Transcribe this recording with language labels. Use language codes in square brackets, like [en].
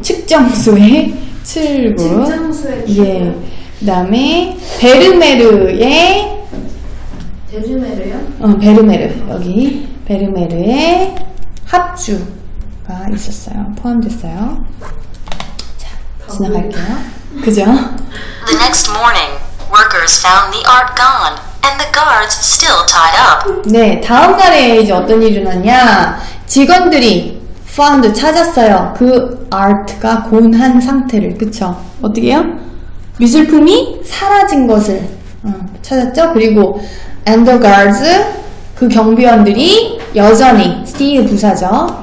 [ko] 측정소의 출구. 측정소의 출구. 예. 그 다음에 베르메르의 베르메르요? 베르메르. 여기 베르메르의 합주가 있었어요. 포함됐어요. 자, 지나갈게요. 그죠? [en] The next morning, workers found the art gone. And the guards still tied up. [ko] 네, 다음 날에 이제 어떤 일이 일어났냐? 직원들이 found 찾았어요. 그 art가 곤한 상태를, 그쵸? 어떻게요? 미술품이 사라진 것을. 찾았죠? 그리고 [en] and the guards [ko] 그 경비원들이 여전히 still 부사죠.